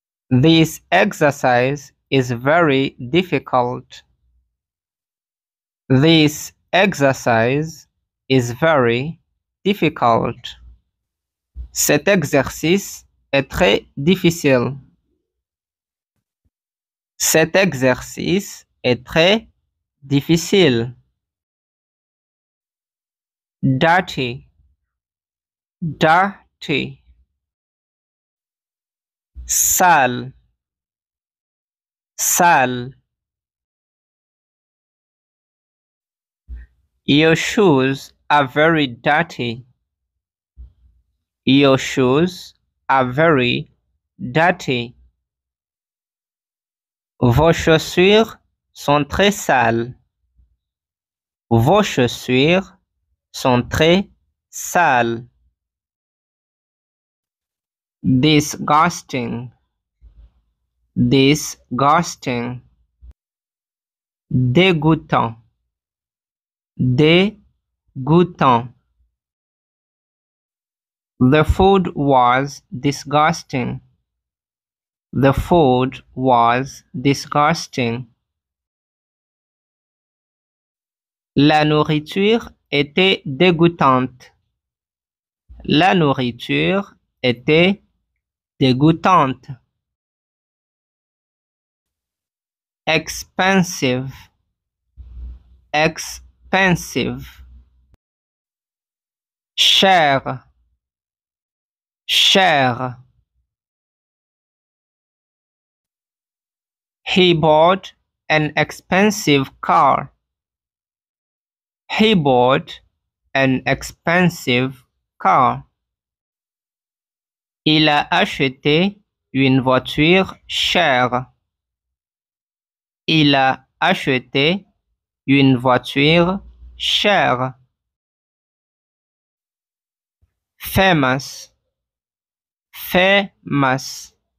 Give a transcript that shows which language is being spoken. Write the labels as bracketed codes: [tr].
[en] This exercise is very difficult. This exercise is very difficult. [fr] Cet exercice est très difficile. Cet exercice est très difficile. [en] Dirty. Dirty. [fr] Sale. Sale. [en] Your shoes are very dirty. Your shoes are very dirty. [fr] Vos chaussures sont très sales. Vos chaussures sont très sales. [en] Disgusting. Disgusting. [fr] Dégoûtant. Dégoûtant. [en] The food was disgusting. The food was disgusting. [fr] La nourriture était dégoûtante. La nourriture était dégoûtante. [en] Expensive. Expensive. [fr] Cher. Cher. [en] He bought an expensive car. He bought an expensive car. [fr] Il a acheté une voiture chère. Il a acheté une voiture chère. [en] Famous. Famous.